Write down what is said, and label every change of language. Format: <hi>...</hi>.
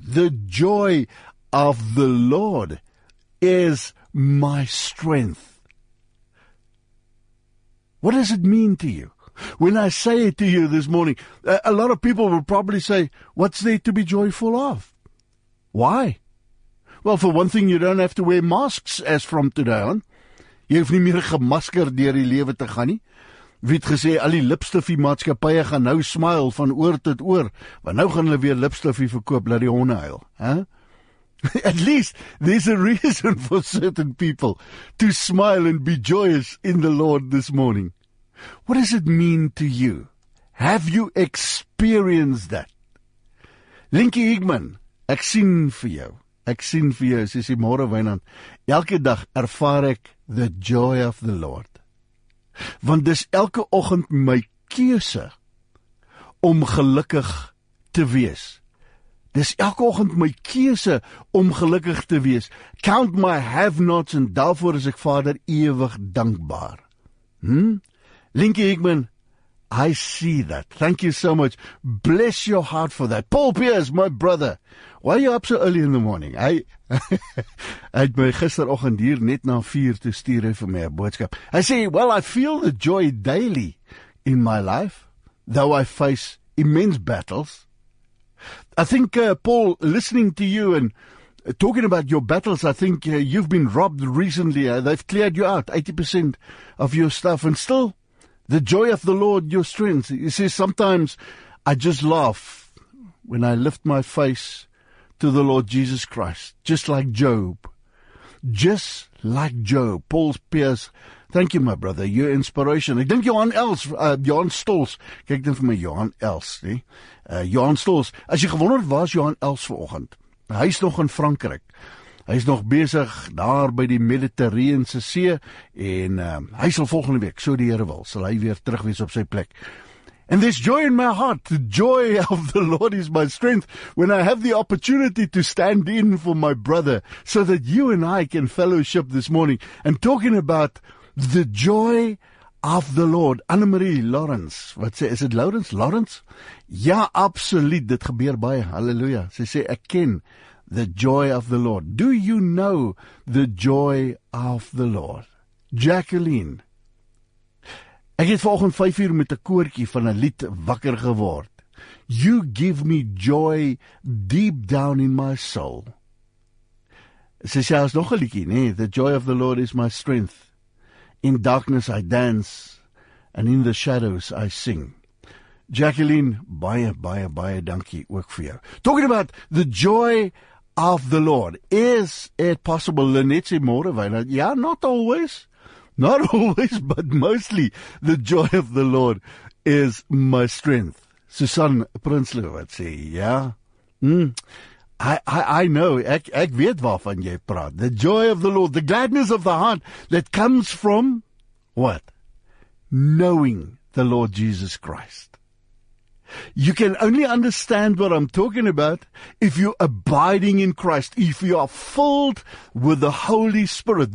<en>The joy of the Lord is my strength. What does it mean to you? When I say it to you this morning, a lot of people will probably say, what's there to be joyful of? Why? Well, for one thing, you don't have to wear masks as from today on.</en> <af>Jy hoef nie meer gemaskerd deur die lewe te gaan nie. Wie het gesê, al die lipstifie maatskappye gaan nou smile van oor tot oor, want nou gaan hulle weer lipstifie verkoop, laat die honde huil. Huh?</af> <en>At least, there's a reason for certain people to smile and be joyous in the Lord this morning. What does it mean to you? Have you experienced that?</en> <af>Linkie Higman, ek sien vir jou. Ek sien vir jou, sê sy môre Wynand. Elke dag ervaar ek</af> <en>the joy of the Lord.</en> <af>Want dis elke oggend my keuse om gelukkig te wees. Dis elke oggend my keuse om gelukkig te wees.</af> <en>Count my have-nots</en> <af>en daarvoor is ek Vader ewig dankbaar.</af> <en>Linkie Higman, I see that. Thank you so much. Bless your heart for that. Paul Pierce, my brother. Why are you up so early in the morning?</en> <af>Hy het my gisteroggend hier net na 4 toe stuur vir my 'n boodskap. Hy sê,</af> <en>well, I feel the joy daily in my life, though I face immense battles. I think, Paul, listening to you and talking about your battles, I think you've been robbed recently. They've cleared you out, 80% of your stuff, and still, the joy of the Lord, your strength. You see, sometimes I just laugh when I lift my face to the Lord Jesus Christ, just like Job. Just like Job. Paul Pierce, thank you, my brother. Your inspiration. I think Johan Els, Johan Stols.</en> <af>Kijk dan vir my, Johan Els. Johan Stols. As jy gewonder het, waar is Johan Els vanoggend? Hy is nog in Frankryk. Hy is nog besig daar by die Mediterrane See en hy sal volgende week, so die Here wil, sal hy weer terug wees op sy plek.</af> <en>And there's joy in my heart. The joy of the Lord is my strength when I have the opportunity to stand in for my brother so that you and I can fellowship this morning. And talking about the joy of the Lord.</en> <af>Annemarie Lawrence, wat sê,</af> <en>is it Lawrence?</en> <af>Lawrence? Ja, absoluut, dit gebeur baie. Halleluja. Sy sê, ek ken</af> <en>the joy of the Lord. Do you know the joy of the Lord? Jacqueline.</en> <af>Ek het vanoggend 5 uur met 'n koortjie van 'n lied wakker geword.</af> <en>You give me joy deep down in my soul.</en> <af>Sy sê ons nog 'n liedjie, nee,</af> <en>the joy of the Lord is my strength. In darkness I dance and in the shadows I sing.</en> <af>Jacqueline, baie dankie ook vir jou.</af> <en>Talking about the joy of the Lord. Is it possible, Lynette, more of it? Yeah, not always. Not always, but mostly the joy of the Lord is my strength.</en> <af>Susan Prinsloo, wat sê, yeah.</af> <en>I know,</en> <af>ek weet waarvan jy praat.</af> <en>The joy of the Lord, the gladness of the heart that comes from, what? Knowing the Lord Jesus Christ. You can only understand what I'm talking about if you're abiding in Christ, if you are filled with the Holy Spirit.</en>